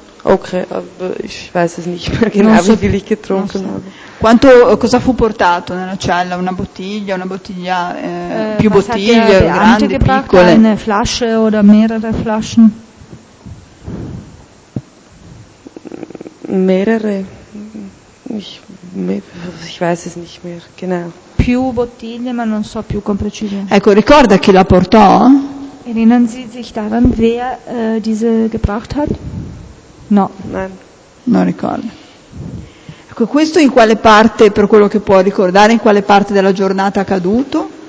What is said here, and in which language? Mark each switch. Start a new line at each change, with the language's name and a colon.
German: Okay, aber ich weiß es nicht mehr genau, so, wie viel ich getrunken habe.
Italian: Quanto, cosa fu portato nella cella? Una bottiglia, più bottiglie, grandi, piccole?
German: Eine Flasche oder mehrere Flaschen? Mehrere? Ich weiß es nicht mehr, genau.
Italian: Più bottiglie, ma non so più con precisione. Ecco, ricorda chi la portò?
German: Erinnern Sie sich daran, wer diese gebracht hat?
Italian: No.
German: Nein.
Italian: Non ricordo. Ecco, questo in quale parte, per quello che può ricordare, in quale parte della giornata è accaduto?